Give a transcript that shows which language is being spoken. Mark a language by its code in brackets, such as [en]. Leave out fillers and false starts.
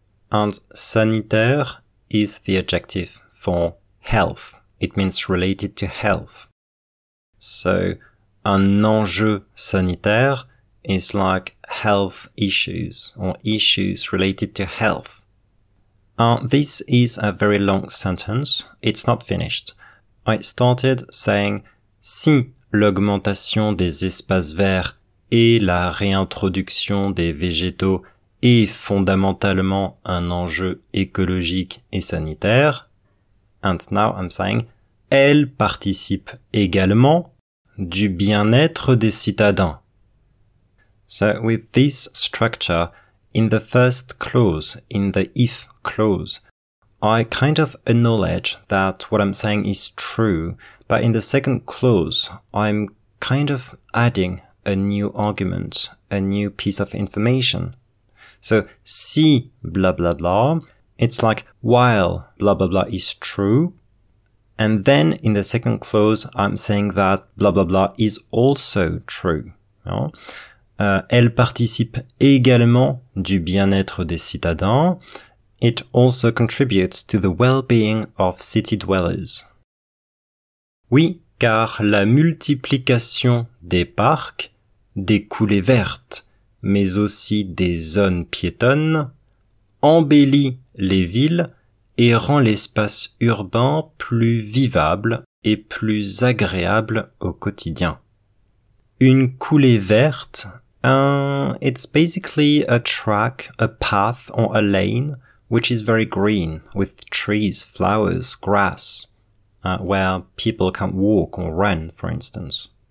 [en] And sanitaire is the adjective for health. It means related to health. So [fr] un enjeu sanitaire [en] is like health issues or issues related to health. This is a very long sentence. It's not finished. I started saying [fr] si l'augmentation des espaces verts et la réintroduction des végétaux est fondamentalement un enjeu écologique et sanitaire. [en] And now I'm saying [fr] elle participe également du bien-être des citadins. [en] So with this structure, in the first clause, in the if clause, I kind of acknowledge that what I'm saying is true, but in the second clause, I'm kind of adding a new argument, a new piece of information. So si blah blah blah, it's like while blah blah blah is true, and then in the second clause, I'm saying that blah blah blah is also true. No? [fr] Elle participe également du bien-être des citadins. [en] It also contributes to the well-being of city dwellers. [fr] Oui, car la multiplication des parcs, des coulées vertes, mais aussi des zones piétonnes, embellit les villes et rend l'espace urbain plus vivable et plus agréable au quotidien. Une coulée verte, [en] it's basically a track, a path or a lane, which is very green, with trees, flowers, grass, where people can walk or run, for instance.